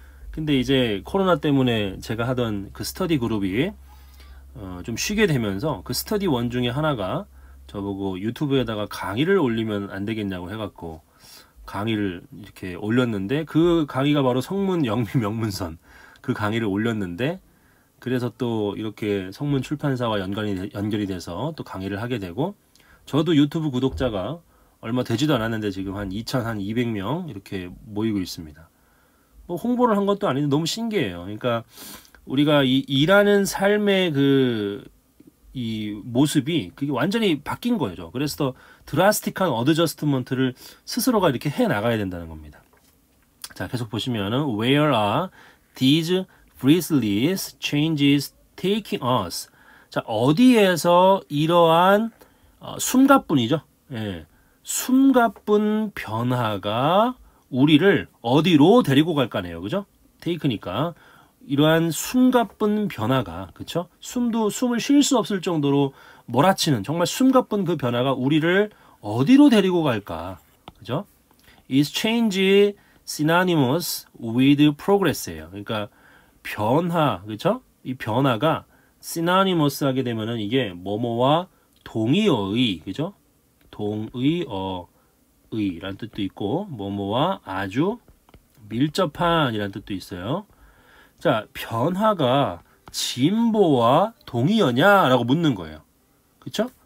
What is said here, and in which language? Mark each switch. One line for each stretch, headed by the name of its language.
Korean: 근데 이제 코로나 때문에 제가 하던 그 스터디 그룹이 좀 쉬게 되면서 그 스터디 원 중에 하나가 저보고 유튜브에다가 강의를 올리면 안 되겠냐고 해갖고 강의를 이렇게 올렸는데 그 강의가 바로 성문 영미 명문선 그 강의를 올렸는데 그래서 또 이렇게 성문 출판사와 연결이 돼서 또 강의를 하게 되고 저도 유튜브 구독자가 얼마 되지도 않았는데 지금 한 2,200명 이렇게 모이고 있습니다. 뭐 홍보를 한 것도 아닌데 너무 신기해요. 그러니까 우리가 이 일하는 삶의 그 이 모습이 그게 완전히 바뀐 거죠. 그래서 드라스틱한 어드저스트먼트를 스스로가 이렇게 해 나가야 된다는 겁니다. 자, 계속 보시면은
English: Where are these frizzless changes taking us?
Korean: 자, 어디에서 이러한 숨가쁜이죠. 예. 숨가쁜 변화가 우리를 어디로 데리고 갈까네요. 그죠? 테이크니까. 이러한 숨가쁜 변화가, 그쵸? 숨을 쉴 수 없을 정도로 몰아치는, 정말 숨가쁜 그 변화가 우리를 어디로 데리고 갈까? 그죠?
English: Is change synonymous with progress?
Korean: 예요. 그러니까, 변화, 그쵸? 이 변화가 synonymous 하게 되면은 이게 뭐뭐와 동의어의, 그죠? 동의어의 라는 뜻도 있고 뭐뭐와 아주 밀접한 이란 뜻도 있어요. 자, 변화가 진보와 동의어냐 라고 묻는 거예요. 그쵸?